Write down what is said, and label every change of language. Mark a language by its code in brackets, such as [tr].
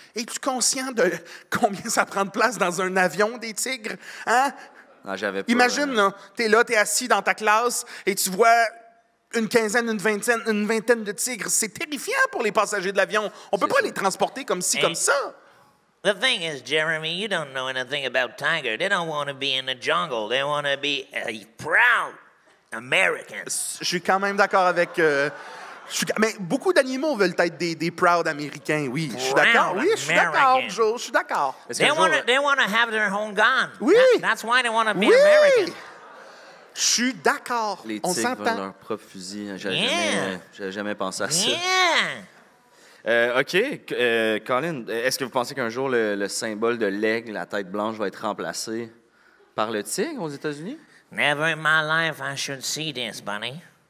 [fr] es-tu conscient de combien ça prend de place dans un avion, des tigres? Hein? Non, j'avais pas. Imagine, là, t'es là, t'es assis dans ta classe et tu vois une quinzaine, une vingtaine de tigres. C'est terrifiant pour les passagers de l'avion. On c'est peut pas ça. Les transporter comme ci, hey, comme ça. [en] The thing is, Jeremy, you don't know anything about tigers. They don't want to be in the jungle. They want to be a proud American. [fr] Je suis quand même d'accord avec. Mais beaucoup d'animaux veulent être des proud Américains, oui. Je suis d'accord. Oui, je suis d'accord, Joe. Je suis d'accord. [en] They want to have their own gun. [fr] Oui. [en] That's why they want to be American. [fr] Je suis d'accord. Les tigres veulent leur propre fusil. J'avais jamais pensé à ça. [en] Yeah. [fr] Colin, est-ce que vous pensez qu'un jour le symbole de l'aigle, la tête blanche, va être remplacé par le tigre aux États-Unis? [en] Never in my life I should see this, Bunny.